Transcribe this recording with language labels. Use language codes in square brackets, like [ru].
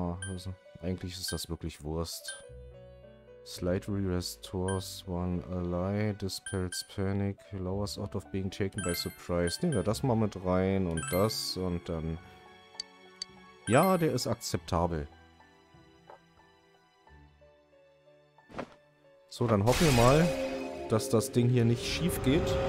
[de] also, eigentlich ist das wirklich Wurst. [en] Slightly restores one ally, dispels panic, lowers out of being taken by surprise. [de] Nehmen wir das mal mit rein und das und dann... Ja, der ist akzeptabel. So, dann hoffen wir mal, dass das Ding hier nicht schief geht.